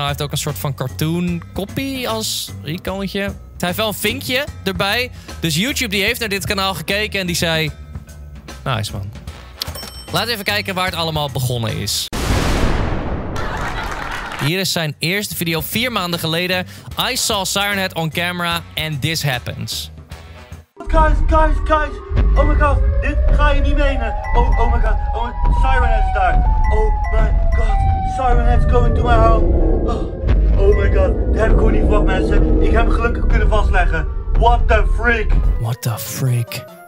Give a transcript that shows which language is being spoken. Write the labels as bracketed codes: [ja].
[nl] Hij heeft ook een soort van cartoon copy als icoontje. Hij heeft wel een vinkje erbij. Dus YouTube die heeft naar dit kanaal gekeken en die zei... [en] Nice man. [nl] Laten we even kijken waar het allemaal begonnen is. Hier is zijn eerste video 4 maanden geleden. [en] I saw Siren Head on camera and this happens. Guys, oh my god, [nl] dit ga je niet menen. [en] Oh my god, Siren Head is daar. Oh my god, Siren Head is going to my home. Oh my god, [nl] dat heb ik gewoon niet verwacht, mensen. Ik heb hem gelukkig kunnen vastleggen. [en] What the freak.